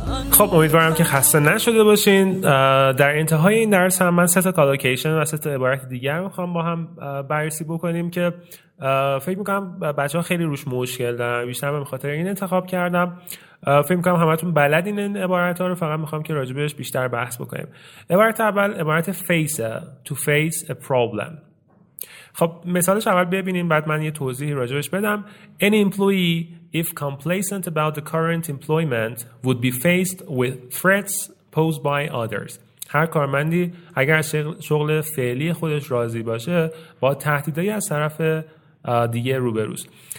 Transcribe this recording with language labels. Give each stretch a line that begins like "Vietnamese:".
Persian: خب امیدوارم که خسته نشده باشین. در انتهای این درس هم من سه تا کالوکیشن و سه تا عبارت دیگر میخوام با هم بررسی بکنیم که فکر میکنم بچه ها خیلی روش مشکل دارن، بیشتر به خاطر این انتخاب کردم. فکر میکنم همتون بلدین این عبارت ها رو، فقط میخوام که راجبش بیشتر بحث بکنیم. عبارت اول عبارت face، to face a problem. خب مثالش اول ببینیم بعد من یه توضیحی راجبش بدم.
English: Any employee if complacent about the current employment would be faced with threats posed by others.
Persian: هر کارمندی اگر شغل فعلی خودش راضی باشه با تهدیدهایی از طرف دیگه روبروست.